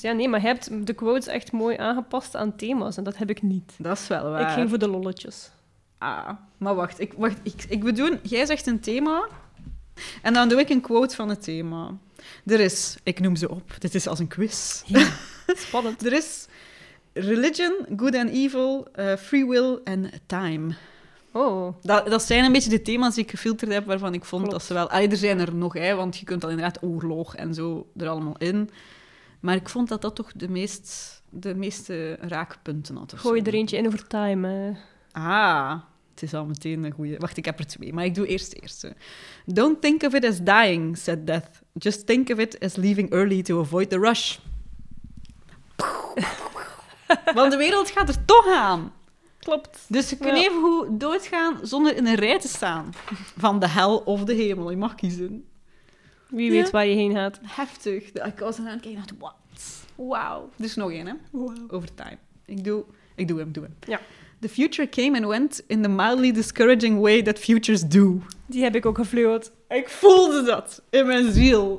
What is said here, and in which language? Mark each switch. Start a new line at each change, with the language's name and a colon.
Dutch: Ja, nee, maar je hebt de quotes echt mooi aangepast aan thema's. En dat heb ik niet. Dat is wel waar. Ik ging voor de lolletjes. Ah, maar wacht. Ik bedoel, jij zegt een thema. En dan doe ik een quote van het thema. Er is, ik noem ze op, dit is als een quiz. Ja, spannend. Er is...
English: Religion, good and evil, free will and time. Oh.
Dutch: Dat zijn een beetje de thema's die ik gefilterd heb, waarvan ik vond dat ze wel... Allee, er zijn er nog, hè, want je kunt al inderdaad oorlog en zo er allemaal in. Maar ik vond dat dat toch de meeste raakpunten had. Gooi er eentje in over time, hè. Ah, het is al meteen een goeie. Wacht, ik heb er twee, maar ik doe eerst de eerste.
English: Don't think of it as dying, said death. Just think of it as leaving early to avoid the rush.
Dutch: Want de wereld gaat er toch aan. Klopt. Dus je kunt even goed doodgaan zonder in een rij te staan. Van de hel of de hemel. Je mag kiezen. Wie weet waar je heen gaat. Heftig. Ik was aan het kijken en dacht, what? Wow. Dus nog één, hè. Wow. Over time. Ik doe hem. Ja.
English: The future came and went in the mildly discouraging way that futures do.
Dutch: Die heb ik ook gefluwd. Ik voelde dat in mijn ziel.